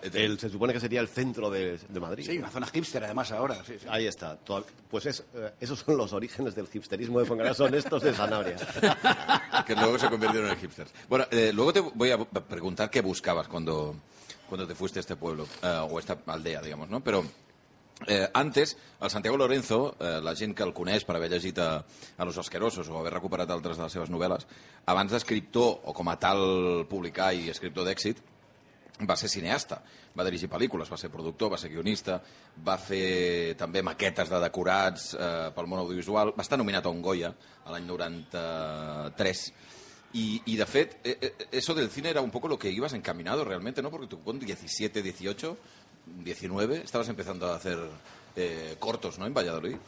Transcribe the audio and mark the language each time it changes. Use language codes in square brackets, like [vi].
[es] se supone que sería el centro de Madrid. Sí, una zona hipster, además, ahora. Sí, sí. Ahí está. Esos son los orígenes del hipsterismo de Fuencarral. Son estos de Sanabria. Que luego se convirtieron en hipsters. Bueno, luego te voy a preguntar qué buscabas cuando te fuiste a este pueblo, o a esta aldea, digamos, ¿no? [ca] Pero antes, el Santiago Lorenzo, la gent que el coneix per haver llegit a Los Asquerosos o haver recuperat altres de les seves novel·les, abans d'escriptor o com a tal publicar i escriptor d'èxit, va ser cineasta, va dirigir pel·lícules, va ser productor, va ser guionista, va fer també maquetes de decorats pel món audiovisual, va estar nominat a un Goya a l'any 93. [es] Y de fet, eso del cine era un poco lo que ibas encaminado realmente, ¿no? Porque tú con 17, 18, 19, estabas empezando a hacer cortos, ¿no? En Valladolid.